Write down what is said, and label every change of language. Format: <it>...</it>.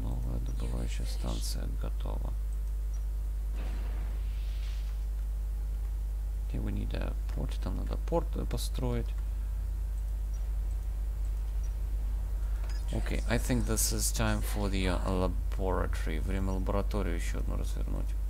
<ru>Новая добывающая станция готова.</ru> <en>Here we need a port.</en> <ru>Там надо порт построить.</ru> <en>Okay, I think this is time for the laboratory.</en> <ru>Время лабораторию еще одну развернуть.</ru>